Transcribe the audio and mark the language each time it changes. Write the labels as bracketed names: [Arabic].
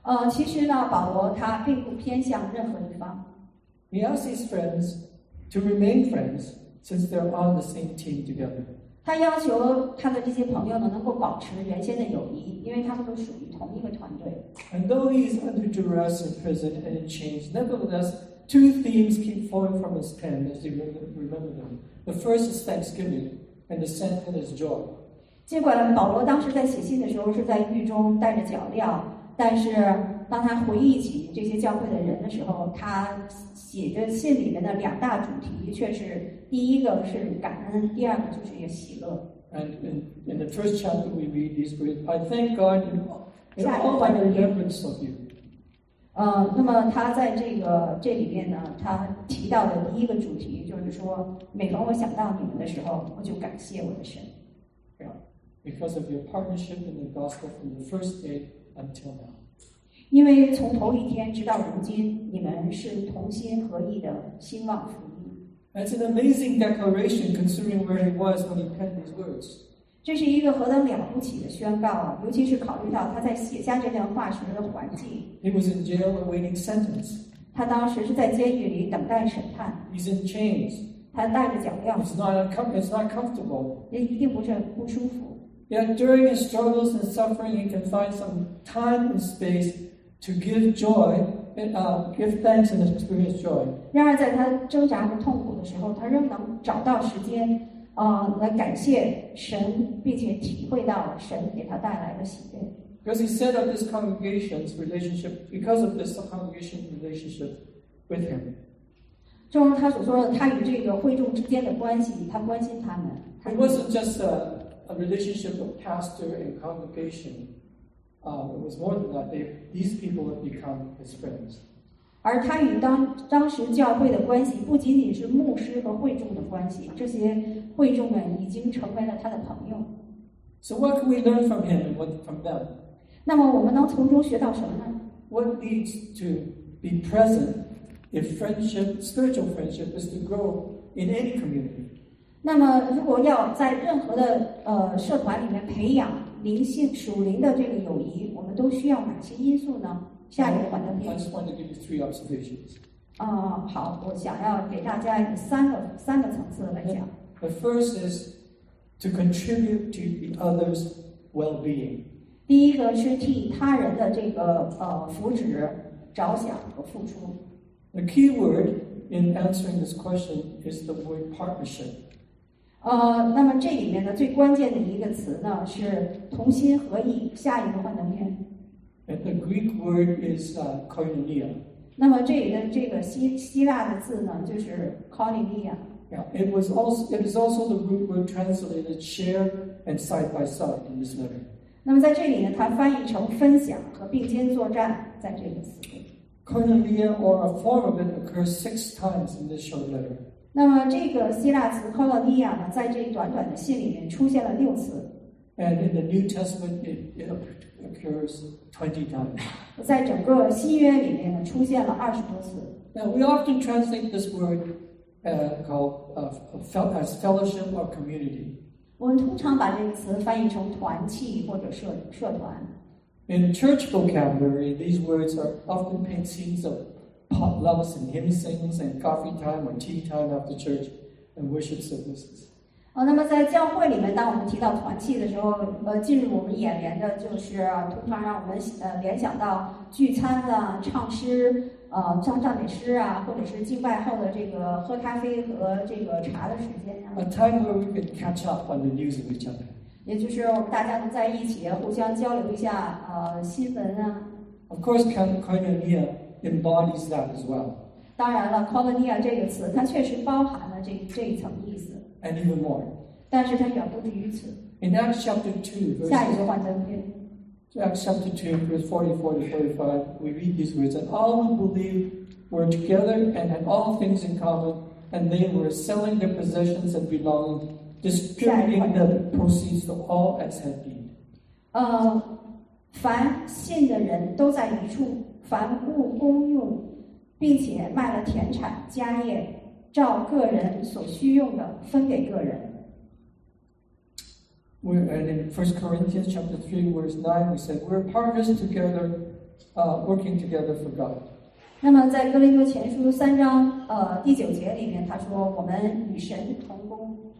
[Chinese] 其实呢，保罗他并不偏向任何一方。 [English] He asks his friends to remain friends since they're on the same team together. [Chinese] 他要求他的这些朋友呢，能够保持原先的友谊，因为他们都属于同一个团队。 [English] And though he is under duress in prison and in chains, nevertheless. Two themes keep flowing from his pen as he remembers them. The first is thanksgiving, and the second is joy. [Chinese] 尽管保罗当时在写信的时候是在狱中带着脚镣，但是当他回忆起这些教会的人的时候，他写着信里面的两大主题却是第一个是感恩，第二个就是有喜乐。 [English] And in the first chapter we read these words, I thank God in all my remembrance of you. [Chinese] 那么他在这里面呢，他提到的第一个主题就是说，每逢我想到你们的时候，我就感谢我的神。 [English] Because of your partnership in the gospel from the first day until now. [Chinese] 因为从头一天直到如今，你们是同心合意的兴旺福音。 [English] That's an amazing declaration considering where he was when he penned these words. [Chinese] 这是一个何等了不起的宣告，尤其是考虑到他在写下这段话时的环境。 [English] He was in jail awaiting sentence. [Chinese] 他当时是在监狱里等待审判。 [English] He's in chains. [Chinese] 他带着脚镣。 [English] It's not comfortable. [Chinese] 也一定不是不舒服。 [English] Yet during his struggles and suffering, he can find some time and space to give joy and give thanks and experience joy. [Chinese] 然而在他挣扎和痛苦的时候，他仍能找到时间。来感谢神，并且体会到神给他带来的喜悦。 [English] Because he said of this congregation's relationship, because of this congregation's relationship with him. [Chinese] 正如他所说的，他与这个会众之间的关系，他关心他们。 [English] It wasn't just a relationship of pastor and congregation. It was more than that. These people have become his friends. [Chinese] 而他与当时教会的关系不仅仅是牧师和会众的关系，这些。会众们已经成为了他的朋友。 [English] So what can we learn from him and what from them? [Chinese] 那么我们能从中学到什么呢？ [English] What needs to be present if friendship, spiritual friendship is to grow in any community? [Chinese] 那么如果要在任何的社团里面培养灵性属灵的这个友谊，我们都需要哪些因素呢？下一个环节。 [English] I just want to give you three observations. [Chinese] 好，我想要给大家三个层次来讲。 [English] The first is to contribute to the other's well-being. [Chinese] 第一个是替他人的这个福祉着想和付出。 [English] The key word in answering this question is the word partnership. [Chinese] 那么这里面的最关键的一个词呢是同心合意。下一个幻灯片。 [English] And the Greek word is koinonia. [Chinese] 那么这里的这个希腊的字呢就是 koinonia。 [English] Yeah, it is also the root word translated share and side by side in this letter. [Chinese] 那么在这里呢，它翻译成分享和并肩作战，在这个词。 [English] Koinonia or a form of it occurs 6 times in this short letter. [Chinese] 那么这个希腊词 koinonia 呢，在这短短的信里面出现了6次。 [English] And in the New Testament, it occurs 20 times. [Chinese] 在整个新约里面呢，出现了20多次。 [English] Now we often translate this word. called as fellowship or community. [Chinese] 我们通常把这个词翻译成团契或者 社团。 [English] In church vocabulary, these words are often paint scenes of potlucks and hymn sings and coffee time or tea time after church and worship services. [Chinese] 哦，那么在教会里面，当我们提到团契的时候，进入我们眼帘的就是通常让我们联想到聚餐啊、唱诗、唱赞美诗啊，或者是敬拜后的这个喝咖啡和这个茶的时间啊。 [English] A time where we can catch up on the news of each other. [Chinese] 也就是我们大家能在一起互相交流一下新闻啊。 [English] Of course, koinonia embodies that as well. [Chinese] 当然了 ,koinonia 这个词它确实包含了这一层意思。 [English] And even more. [Chinese] 但是它远不止于此。 [English] In Acts chapter 2, verse [Chinese] 下一个幻灯片。 [English] Acts chapter 2, verse 40-45, we read these words, and all who believed were together and had all things in common, and they were selling their possessions and belongingsDistributing the proceeds to all as had been. [Chinese] 凡信的人都在一处，凡物公用，并且卖了田产家业，照个人所需用的分给个人。 [English] And in 1 Corinthians chapter 3, verse 9, we said we're partners together, working together for God. [Chinese] 那么在哥林多前书三章第九节里面，他说我们与神同工。